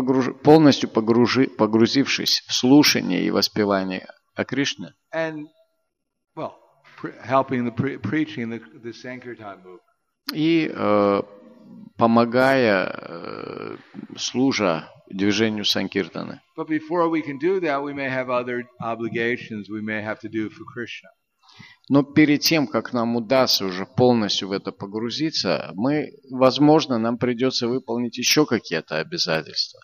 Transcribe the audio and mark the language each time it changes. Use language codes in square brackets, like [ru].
[ru] И полностью погрузившись в слушание и воспевание о Кришне. [en] And well, helping the preaching the Sankirtan movement. [ru] И помогая, служа движению Санкиртаны. [en] But before we can do that, we may have other obligations we may have to do for Krishna. [ru] Но перед тем, как нам удастся уже полностью в это погрузиться, мы, возможно, нам придется выполнить еще какие-то обязательства.